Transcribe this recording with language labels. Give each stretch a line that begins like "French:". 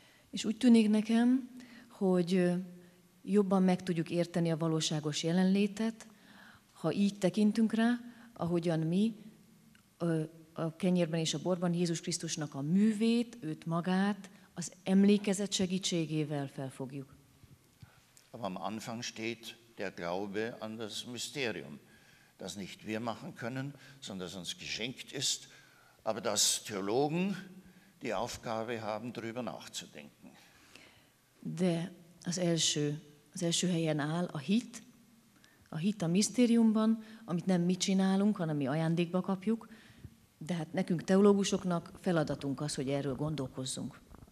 Hungarian: És úgy tűnik nekem, hogy jobban meg tudjuk érteni a valóságos jelenlétet, ha így tekintünk rá, ahogyan mi a kenyérben és a borban Jézus Krisztusnak a művét, őt magát, az emlékezet segítségével felfogjuk.
German: Aber am Anfang steht der Glaube an das Mysterium, das nicht wir machen können, sondern das uns geschenkt ist, aber dass Theologen die Aufgabe haben, darüber nachzudenken.
Hungarian: De az első helyen áll a hit a misztériumban, amit nem mi csinálunk, hanem mi ajándékba kapjuk, de hát nekünk teológusoknak feladatunk az, hogy erről gondolkozzunk.